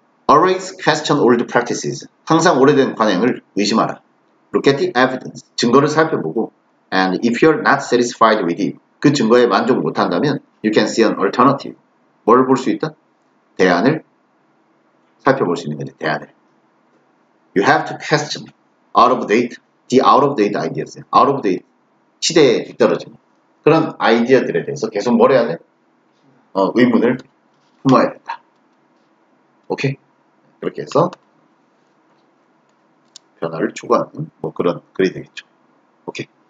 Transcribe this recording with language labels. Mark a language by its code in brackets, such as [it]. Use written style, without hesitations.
[en] Always question old practices. [ko] 항상 오래된 관행을 의심하라. [en] Look at the evidence. [ko] 증거를 살펴보고. [en] And if you're not satisfied with it, [ko] 그 증거에 만족 못한다면, [en] you can see an alternative. [ko] 뭘볼수 있다? 대안을 살펴볼 수 있는 거지, 대안을. [en] You have to question out of date, the out of date ideas. Out of date. [ko] 시대에 뒤떨어진 그런 아이디어들에 대해서 계속 뭘 해야 돼? 의문을 품어야 된다. 오케이? 그렇게 해서 변화를 추구하는 뭐 그런 글이 되겠죠. 오케이.